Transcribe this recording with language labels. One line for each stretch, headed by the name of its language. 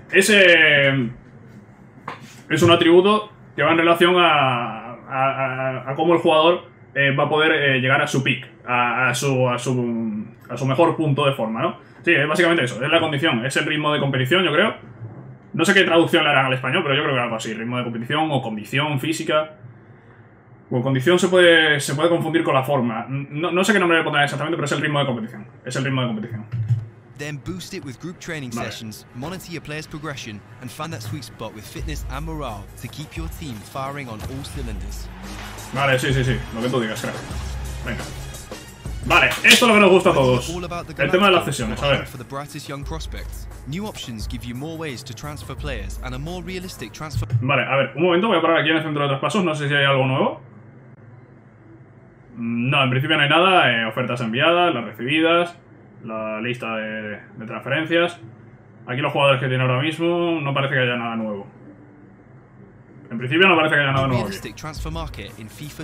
Spanish: Ese es un atributo que va en relación a cómo el jugador va a poder llegar a su peak, a su mejor punto de forma, ¿no? Sí, es básicamente eso. Es la condición, es el ritmo de competición, yo creo. No sé qué traducción le harán al español, pero yo creo que algo así. Ritmo de competición o condición física. Bueno, condición se puede confundir con la forma. No sé qué nombre le pondrán exactamente, pero es el ritmo de competición. Es el ritmo de competición.
English: Then boost it with group training
Spanish: vale.
English: Sessions, monitor your player's progression, and find that sweet spot with fitness and morale to keep your team firing on all cylinders.
Spanish: Vale, sí, lo que tú digas, crack. Venga. Vale, esto es lo que nos gusta a todos. El tema de las sesiones, a ver.
English: For the brightest young prospects, new options give you more ways to transfer players and a more realistic transfer.
Spanish: Vale, a ver, un momento, voy a parar aquí en el centro de traspasos, no sé si hay algo nuevo. No, en principio no hay nada, ofertas enviadas, las recibidas. La lista de transferencias. Aquí los jugadores que tiene ahora mismo. No parece que haya nada nuevo. En principio no parece que haya nada nuevo aquí.